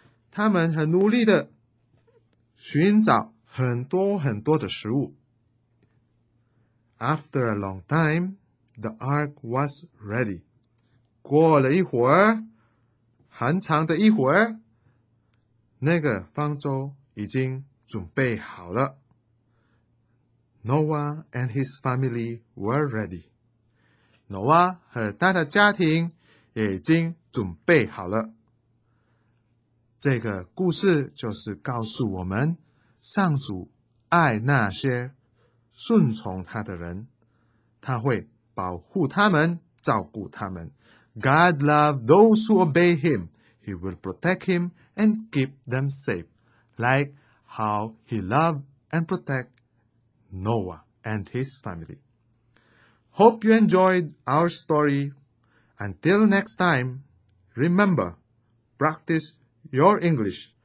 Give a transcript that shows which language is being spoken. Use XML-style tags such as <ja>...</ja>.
<zh>他们很努力的寻找很多很多的食物。</zh> <en>After a long time, the ark was ready.</en> <zh>过了一会儿，很长的一会儿，那个方舟已经准备好了。</zh> <en>Noah and his family were ready.</en> <zh>Noah 和他的家庭已经准备好了。这个故事就是告诉我们，上主爱那些顺从他的人，他会保护他们，照顾他们。</zh> <en>God loves those who obey him. He will protect him and keep them safe. Like how he loved and protected Noah and his family. Hope you enjoyed our story. Until next time, remember, practice your English.</en>